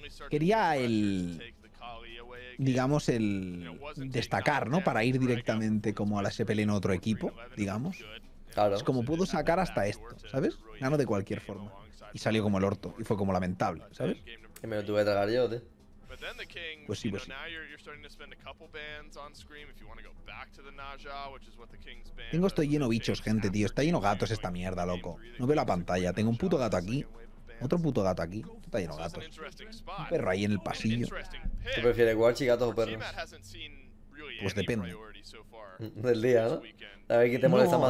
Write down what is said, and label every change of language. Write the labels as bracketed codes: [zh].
[es] Quería el... Digamos, el... Destacar, ¿no? Para ir directamente como a la SPL en otro equipo, digamos. Claro. Es como puedo sacar hasta esto, ¿sabes? Gano de cualquier forma. Y salió como el orto. Y fue como lamentable, ¿sabes? Que me lo tuve que tragar yo, tío. [en] But then the king, [es] pues sí, pues sí. [en] Now you're starting to spend a couple bands on Scream if you want to go back to the Naja, which is what the king's band. [es] Tengo, estoy lleno de bichos, gente, tío. Está lleno de gatos esta mierda, loco. No veo la pantalla. Tengo un puto gato aquí. Otro puto gato aquí. Está lleno de gatos. Un perro ahí en el pasillo. ¿Tú prefieres guachi, gatos o perros? Pues depende. Del día, ¿no? A ver qué te molesta más.